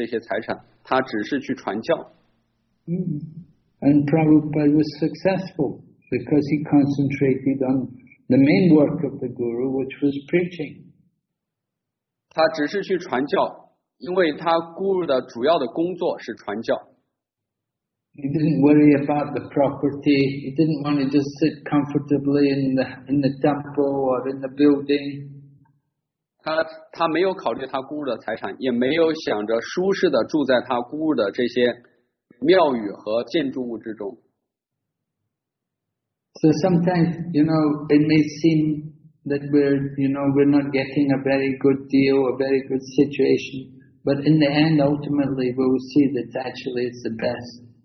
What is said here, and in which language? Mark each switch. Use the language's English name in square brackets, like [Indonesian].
[Chinese] 但是圣帕帕德没有去考虑他宁信导师的这些财产，他只是去传教。 [English] And Prabhupada was successful because he concentrated on the main work of the Guru, which was preaching. [Chinese] 他只是去传教，因为他Guru的主要的工作是传教。 [English] He didn't worry about the property. He didn't want to just sit comfortably in the temple or in the building. [Chinese] 他没有考虑他姑姑的财产，也没有想着舒适的住在他姑姑的这些庙宇和建筑物之中。 [English] So sometimes, you know, it may seem that we're not getting a very good deal, a very good situation. But in the end, ultimately, we will see that actually it's the best.